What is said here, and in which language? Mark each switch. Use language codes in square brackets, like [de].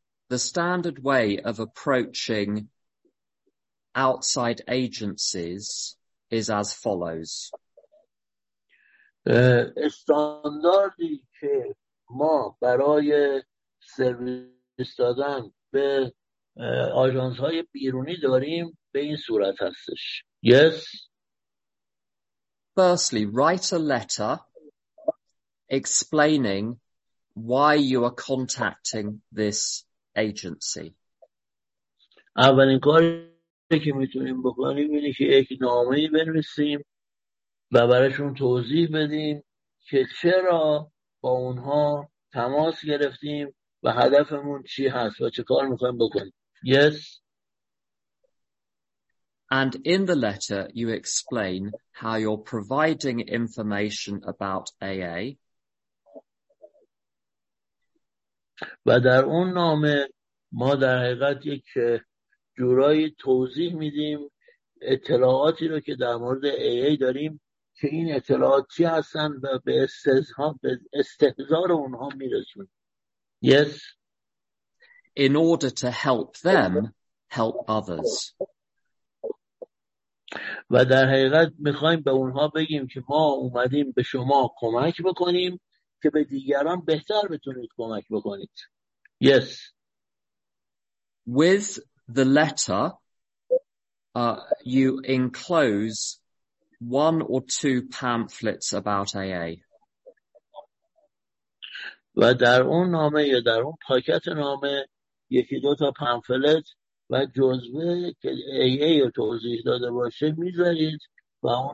[en] The standard way of approaching outside agencies is as follows. [fa] استانداردی که ما برای سرویس دادن به آژانس‌های بیرونی داریم به این صورت هستش. [en] Yes. Firstly, write a letter explaining why you are contacting this agency. [fa] اولین کاری که میتونیم بکنیم اینه که یک نامه‌ای بنویسیم و براشون توضیح بدیم که چرا با اونها تماس گرفتیم و هدفمون چی هست و چه کار می‌خوایم بکنیم. [en] Yes. And in the letter you explain how you're providing information about AA. [fa] و در اون نامه ما در حقیقت یک جورایی توضیح میدیم اطلاعاتی رو که در مورد AA داریم که این اطلاعات چی هستن و به استحضار اونها میرسون. [en] Yes. In order to help them, help others. [fa] و در حقیقت میخواییم به اونها بگیم که ما اومدیم به شما کمک بکنیم که به دیگران بهتر بتونید کمک بکنید. [en] Yes. With the letter, you enclose one or two pamphlets about AA. [fa] و در اون نامه یا در اون پاکت نامه یکی دو تا پامفلت و جزوه که AA رو توضیح داده باشه میذارید و